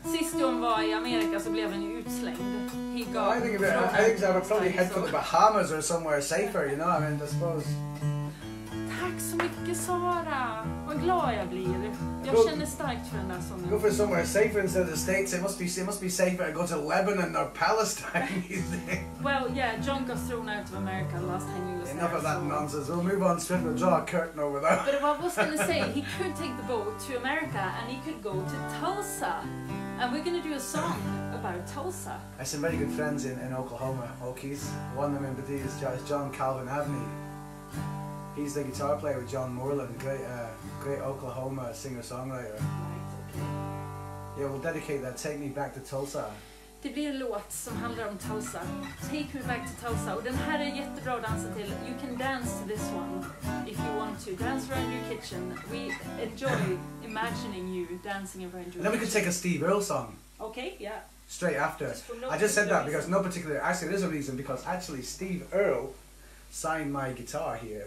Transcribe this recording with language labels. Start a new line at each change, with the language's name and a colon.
Swedish: Sist John var I Amerika så blev han utslängd.
English: He got... Well, I think I would probably head for the Bahamas or somewhere safer, you know, I mean, I suppose.
Swedish: Tack så mycket, Sara. Vad glad jag blir. Jag känner starkt för den där sången.
English: Go for somewhere safer instead of the States. It must be safer to go to Lebanon or Palestine. Well, yeah, John got thrown out of America last time he was there. Enough of so. That nonsense. We'll move on straight and draw a curtain over there. But what I was going to say, he could take the boat to America and he could go to Tulsa. And we're going to do a song about Tulsa. I have some very good friends in Oklahoma, Okies. One of them in particular is John Calvin Avney. He's the guitar player with John Moreland, great Oklahoma singer-songwriter. Right, okay. Yeah, we'll dedicate that Take Me Back to Tulsa.
Swedish: Det blir en låt som handlar om Tulsa. Take Me Back to Tulsa. Och den här är jättebra att dansa till.
English: You can dance to this one if you want to. Dance around your kitchen. We enjoy imagining you dancing around your kitchen. And then we could take a Steve Earle song. Okay, yeah. Straight after. I just said that because no particular... Actually, there's a reason because actually Steve Earle signed my guitar here.